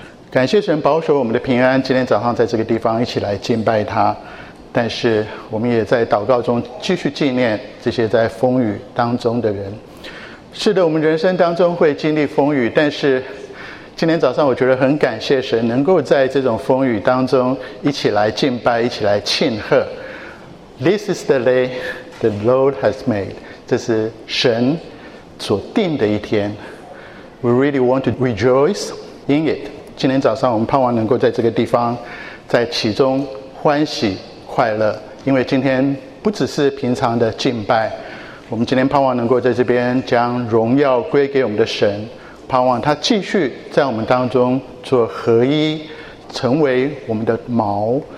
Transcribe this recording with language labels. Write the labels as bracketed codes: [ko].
[zh] 感谢神保守我们的平安，今天早上在这个地方一起来敬拜他，但是我们也在祷告中继续纪念这些在风雨当中的人。是的，我们人生当中会经历风雨，但是今天早上我觉得很感谢神能够在这种风雨当中一起来敬拜，一起来庆贺。 [en] This is the day the Lord has made. [zh] 这是神所定的一天。 [en] We really want to rejoice in it. [zh] 今天早上我们盼望能够在这个地方在其中欢喜快乐，因为今天不只是平常的敬拜，我们今天盼望能够在这边将荣耀归给我们的神，盼望他继续在我们当中做合一，成为我们的锚。